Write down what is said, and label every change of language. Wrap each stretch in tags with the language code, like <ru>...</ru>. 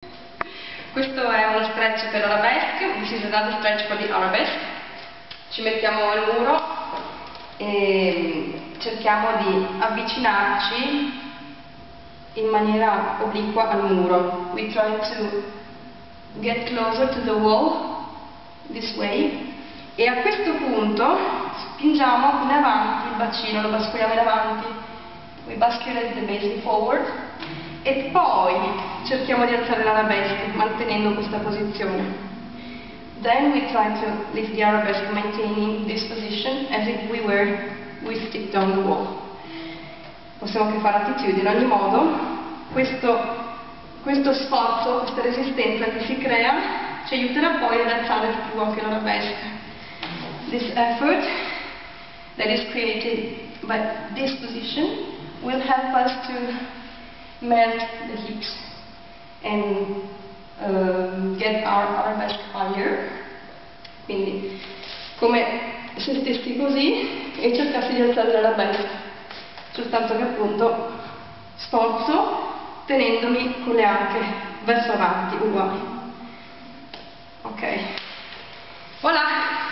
<it>Questo è uno stretch per arabesque, vi siete dato stretch per arabesque. Ci mettiamo al muro e cerchiamo di avvicinarci in maniera obliqua al muro.</it> <en>We try to get closer to the wall this way.</en> <it>E a questo punto spingiamo in avanti il bacino, lo basculiamo in avanti.</it> <en>We basculate the basin forward.</en> <it>E poi cerchiamo di alzare l'arabesque mantenendo questa posizione.</it> <en>Then we try to lift the arabesque maintaining this position as if we stepped on the wall.</en> <it>Possiamo anche fare attitudine. In ogni modo, questo sforzo, questa resistenza che si crea ci aiuterà poi ad alzare più anche l'arabesque.</it> <en>This effort that is created by this position will help us to melt the hips and get our arabesque higher.</en> <it>Quindi, come se stessi così e cercassi di alzare l'arabesque, soltanto che appunto sforzo tenendomi con le anche verso avanti, uguali. Ok. Voilà!</it>